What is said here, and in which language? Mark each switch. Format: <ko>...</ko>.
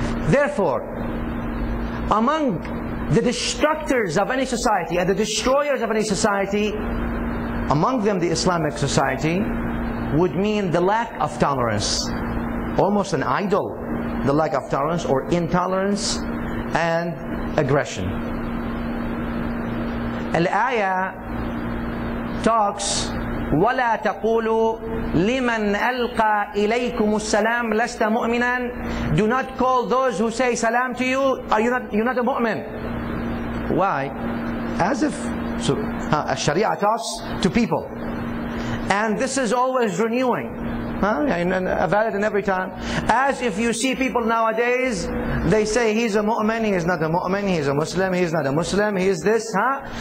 <en>Therefore, among the destructors of any society and the destroyers of any society, among them the Islamic society, would mean the lack of tolerance, almost an idol, the lack of tolerance or intolerance and aggression.</en> <ar>الايه</ar> <en>talks</en> <ar>ولا تقولوا لمن القى اليكم السلام لست مؤمنا.</ar> <en>Do not call those who say salam to you, are you not a mu'min? Why? As if الشريعة talks to people. And this is always renewing. A valid in every time. As if you see people nowadays, they say he's a mu'min, he's not a mu'min, he's a Muslim, he's not a Muslim, he's this, huh?</en>